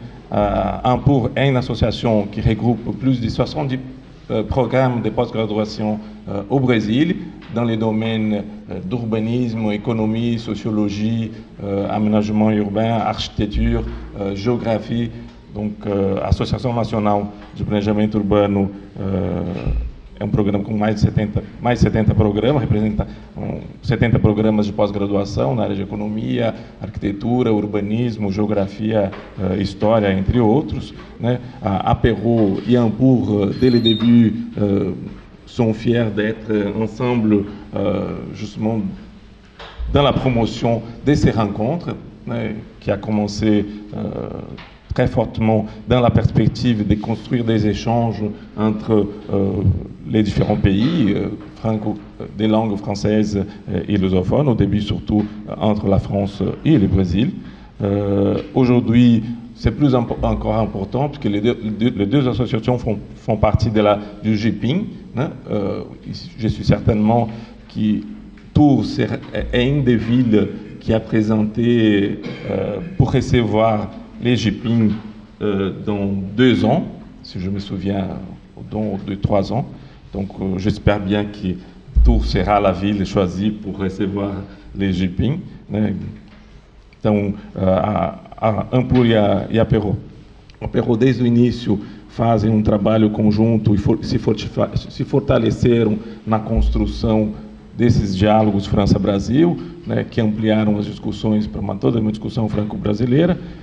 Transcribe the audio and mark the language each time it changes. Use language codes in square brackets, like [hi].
[fr] ANPUR est une association qui regroupe plus de 70 programmes de pós-graduation au Brésil, dans les domaines d'urbanisme, économie, sociologie, aménagement urbain, architecture, géographie. Donc, Association nationale de [pt] planejamento urbano é um programa com mais de 70 programas, representa 70 programas de pós-graduação na área de economia, arquitetura, urbanismo, geografia, história, entre outros. Né? [fr] A Perrault e a Ampour, dès le début, sont fiers d'être ensemble, justement, dans la promotion de ces rencontres, né, qui a commencé très fortement dans la perspective de construire des échanges entre les différents pays, des langues françaises et lusophones, au début surtout entre la France et le Brésil. Aujourd'hui, c'est plus encore important puisque les deux associations font partie du GIPIN. Hein, je suis certainement que Tours est une des villes qui a présenté pour recevoir les GIPIN dans 2 ans, si je me souviens, dans 2-3 ans. Donc j'espère bien que Tours sera la ville choisie pour recevoir les GIPIN. [pt] Então, a Ampour e a Perrault. A Perrault, desde o início, fazem um trabalho conjunto e se fortaleceram na construção desses diálogos França-Brasil, né, que ampliaram as discussões para toda uma discussão franco-brasileira.